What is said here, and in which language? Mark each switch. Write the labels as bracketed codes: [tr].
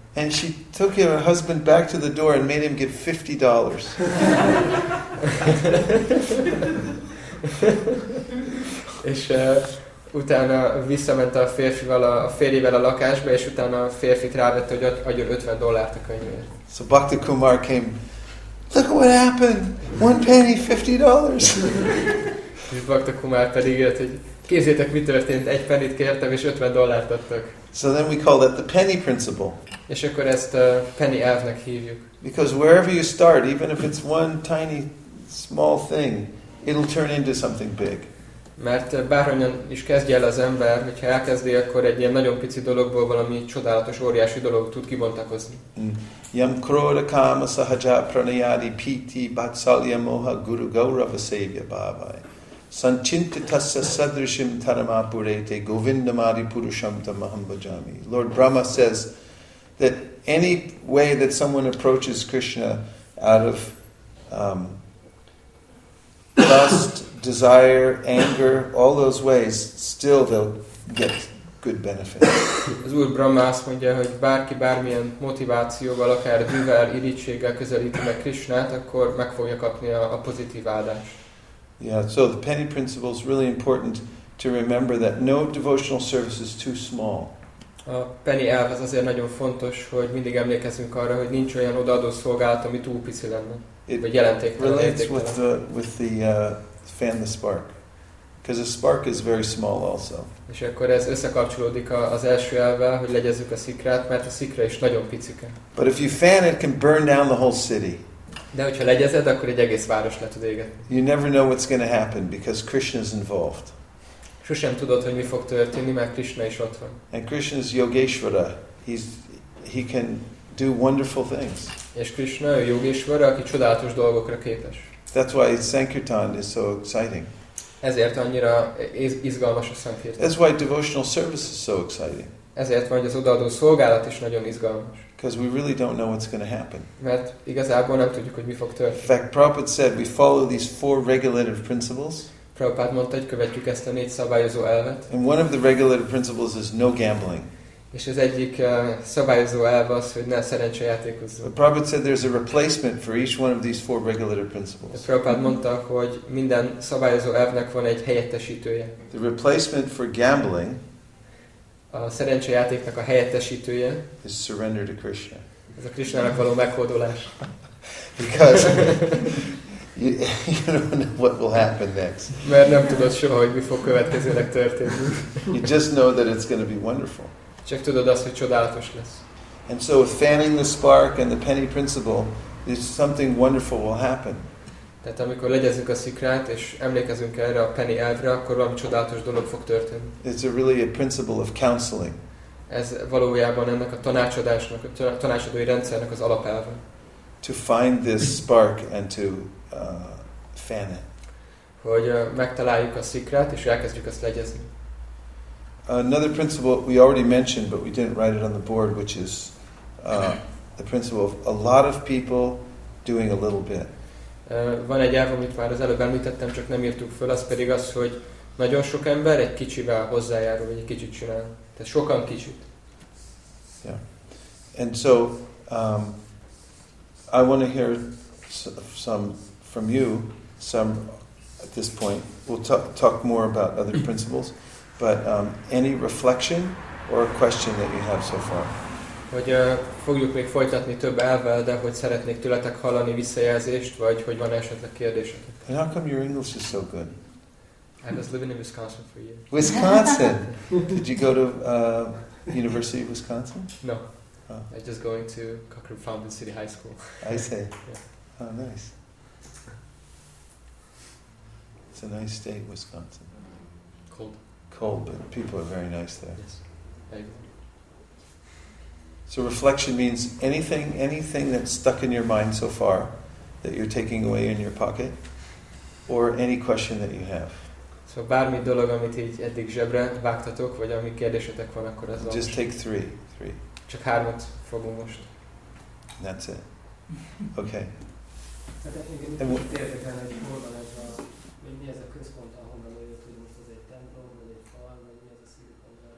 [en] And she took her husband back to the door and made him give $50. [hu] És utána visszament a férfival, a férjével a lakásba, és utána a férfit rávette, hogy adjon $50 a könyvért. [en] So Bhakta Kumar came, look what happened, one penny, $50. [hu] És Bhakta Kumar pedig jött, hogy képzétek, mi történt, egy pennyt kértem, és $50 adtak. [en] So then we call that the penny principle. [hu] És akkor ezt a penny elvnek hívjuk. [en] Because wherever you start, even if it's one tiny, small thing, it'll turn into something big. [hu] Mert bárhonnan is kezdje el az ember, hogyha elkezdi, akkor egy ilyen nagyon pici dologból valami csodálatos, óriási dolog tud kibontakozni. [sa] Yam krodha kama sahaja pranayadi piti batsalya moha guru gaurava sevya bhavai. Sanchintitasya sadrishim taramapurete govindamari purusham tamaham bhajami. [en] Lord Brahma says that any way that someone approaches Krishna out of lust, desire, anger, all those ways, still they'll get good benefit. [hu] Az Úr Brahma azt mondja, hogy bárki bármilyen motivációval, akár bűvel, irítséggel közelíti meg Krishnát, akkor meg fogja kapni a pozitív áldást. [en] Yeah, so the penny principle is really important to remember that no devotional service is too small. [hu] A penny elv az azért nagyon fontos, hogy mindig emlékezzünk arra, hogy nincs olyan odaadó szolgálat, ami túl pici lenne, vagy jelentéktelen. [en] It relates with the fan the spark. Because a spark is very small also. [hu] És akkor ez összekapcsolódik az első elvvel, hogy legyezzük a szikrát, mert a szikra is nagyon picike. [en] But if you fan it, can burn down the whole city. [hu] De hogyha legyezed, akkor egy egész város le tud égetni. [en] You never know what's going to happen because Krishna is involved. [hu] Sosem tudod, hogy mi fog történni, mert Krishna is ott van. [en] And Krishna is Yogeshwara. He can do wonderful things. [hu] És Krishna a Yogeshwara, aki csodálatos dolgokra képes. [en] That's why Sankirtan is so exciting. [hu] Ezért annyira izgalmas a Sankirtan. [en] That's why devotional service is so exciting. [hu] Ezért van, hogy az odaadó szolgálat is nagyon izgalmas. [en] Because we really don't know what's going to happen. [hu] Mert igazából nem tudjuk, hogy mi fog történni. [en] In fact, Prabhupada said we follow these four regulative principles. [hu] Prabhupada mondta, hogy követjük ezt a négy szabályozó elvet. [en] And one of the regulative principles is no gambling. [hu] És az egyik szabályozó elv az, hogy ne szerencsejátékozzunk. [en] The Prabhupada said there's a replacement for each one of these four regulative principles. [hu] Prabhupada mondta, hogy minden szabályozó elvnek van egy helyettesítője. [en] The replacement for gambling. [hu] A szerencsejátéknak a helyettesítője. [en] Is surrender to Krishna. [hu] Ez a Krishnának való meghódolás. [en] Because you don't know what will happen next. [hu] Mert nem tudod soha, hogy mi fog következőleg történni. [en] You just know that it's going to be wonderful. [hu] Csak tudod azt, hogy csodálatos lesz. [en] And so with fanning the spark and the penny principle, there's something wonderful will happen. [hu] Tehát amikor legyezünk a szikrát és emlékezünk erre a penny elvre, akkor valami csodálatos dolog fog történni. [en] It's a really a principle of counseling. [hu] Ez valójában ennek a tanácsadásnak, a tanácsadói rendszernek az alapelve. [en] To find this spark and to fan it. [hu] Hogy megtaláljuk a szikrát és elkezdjük azt legyezni. [en] Another principle we already mentioned, but we didn't write it on the board, which is the principle of a lot of people doing a little bit. [hu] Van egy elv, amit már az előbb említettem, csak nem írtuk föl, az pedig az, hogy nagyon sok ember egy kicsivel hozzájárul, vagy egy kicsit csinál. Tehát sokan kicsit. [en] Yeah. And so, I want to hear some from you, some at this point. We'll talk more about other principles, but any reflection or a question that you have so far? [hu] Hogy fogjuk még folytatni több elvvel, de hogy szeretnék tőletek hallani visszajelzést, vagy hogy van esetleg kérdésetek. [en] And how come your English is so good? I was living in Wisconsin for a year. Wisconsin? Did you go to University of Wisconsin? No. Oh. I'm just going to Cochran Fountain City High School. I see. Yeah. Oh, nice. It's a nice state, Wisconsin. Cold. Cold, but people are very nice there. Yes. So reflection means anything that's stuck in your mind so far that you're taking away in your pocket or any question that you have. [hu] So bármi dolog, amit így eddig zsebre vágtatok, vagy ami kérdésetek van, akkor az [en] Just most. Take three. [hu] Csak hármat fogunk most. [en] That's it. Okay. [hu] Tehát egy kérdésetek, hogy hol van ez a, hogy mi ez a központ, ahonnan jött, hogy most ez egy templom, vagy egy fal, vagy mi ez a szívükon